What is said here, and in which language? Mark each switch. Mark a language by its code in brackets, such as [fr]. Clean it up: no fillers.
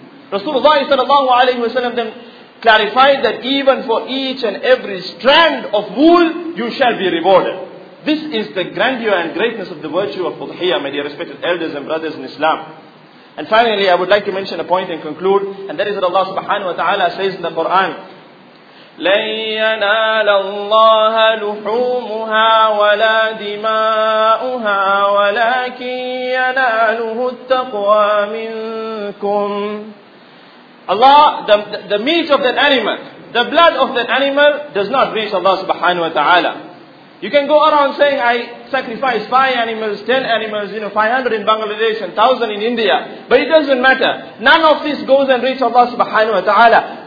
[en] Rasulullah sallallahu alayhi wa sallam then clarified that even for each and every strand of wool, you shall be rewarded. This is the grandeur and greatness of the virtue of udhiyah, my dear respected elders and brothers in Islam. And finally, I would like to mention a point and conclude, and that is that Allah subhanahu wa ta'ala says in the Quran, [ar] لن ينال الله لحومها ولا دماؤها ولكن يناله التقوى منكم. [en] Allah, the meat of that animal, the blood of that animal does not reach Allah subhanahu wa ta'ala. You can go around saying, I sacrifice 5 animals, 10 animals, 500 in Bangladesh and 1,000 in India. But it doesn't matter. None of this goes and reach Allah subhanahu wa ta'ala.